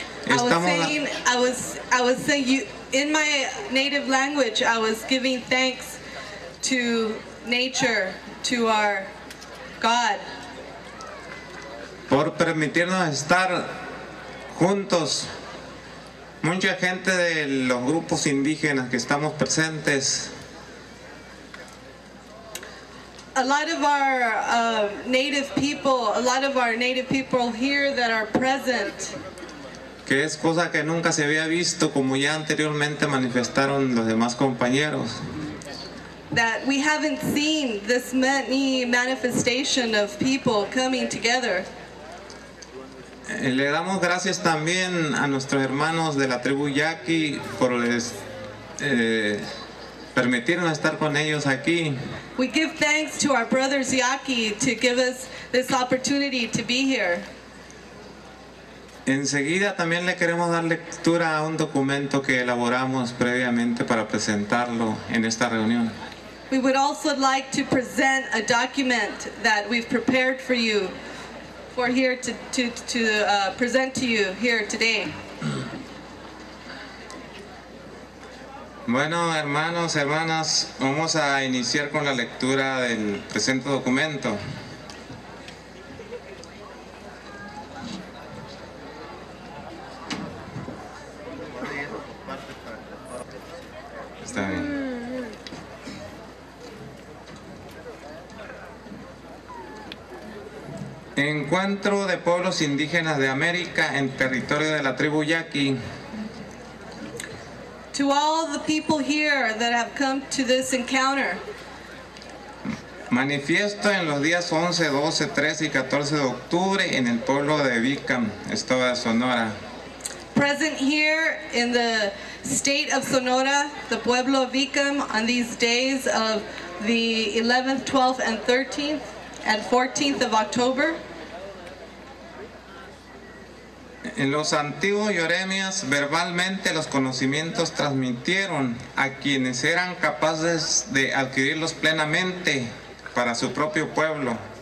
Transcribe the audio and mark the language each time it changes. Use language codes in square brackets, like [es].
[en] I was saying you, in my native language, I was giving thanks to nature to our God. [es] Por permitirnos estar juntos, mucha gente de los grupos indígenas que estamos presentes. [en] A lot of our native people, a lot of our native people here that are present. [es] Que es cosa que nunca se había visto, como ya anteriormente manifestaron los demás compañeros. [en] That we haven't seen this many manifestation of people coming together. [es] Le damos gracias también a nuestros hermanos de la tribu Yaqui por les permitirnos estar con ellos aquí. [en] We give thanks to our brothers Yaqui to give us this opportunity to be here. [es] Enseguida también le queremos dar lectura a un documento que elaboramos previamente para presentarlo en esta reunión. [en] We would also like to present a document that we've prepared for you for here to present to you here today. [es] Bueno, hermanos, hermanas, vamos a iniciar con la lectura del presente documento. Está bien. Encuentro de pueblos indígenas de América en territorio de la tribu Yaqui. [en] To all the people here that have come to this encounter. [es] Manifiesto en los días 11, 12, 13 y 14 de octubre en el pueblo de Vicam, estado de Sonora. [en] Present here in the state of Sonora, the pueblo of Vicam, on these days of the 11th, 12th, and 13th, and 14th of October. [es] En los antiguos yoremias, verbalmente los conocimientos transmitieron a quienes eran capaces de adquirirlos plenamente para su propio pueblo.